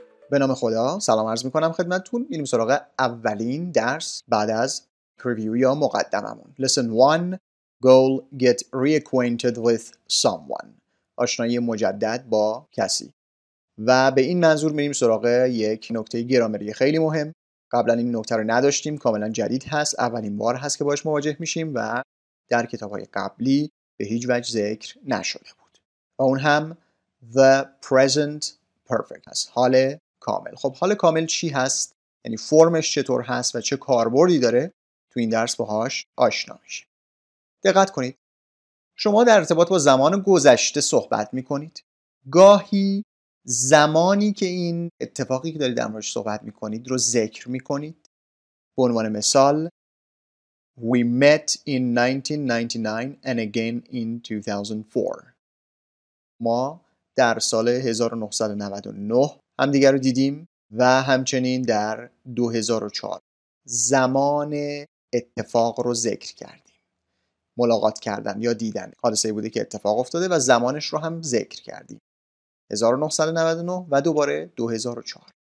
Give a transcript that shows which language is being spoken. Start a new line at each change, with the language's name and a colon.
Persian: به نام خدا، سلام عرض میکنم خدمتتون. میریم سراغ اولین درس بعد از پریویو یا مقدممون.
English: Lesson 1. Goal: Get reacquainted with someone.
Persian: آشنایی مجدد با کسی. و به این منظور میریم سراغ یک نکته گرامری خیلی مهم. قبلا این نکته رو نداشتیم، کاملا جدید هست، اولین بار هست که باهاش مواجه میشیم و در کتابهای قبلی به هیچ وجه ذکر نشده بود. و اون هم The Present Perfect هست. حاله کامل. خب حال کامل چی هست؟ یعنی فرمش چطور هست و چه کاربردی داره؟ تو این درس باهاش آشنا میشه. دقت کنید. شما در ارتباط با زمان گذشته صحبت میکنید. گاهی زمانی که این اتفاقی که دارید در موردش صحبت میکنید رو ذکر میکنید. به عنوان مثال
English: We met in 1999 and again in 2004.
Persian: ما در سال 1999 هم دیگر رو دیدیم و همچنین در 2004 زمان اتفاق رو ذکر کردیم، ملاقات کردن یا دیدن حادثه بوده که اتفاق افتاده و زمانش رو هم ذکر کردیم، 1999 و دوباره 2004.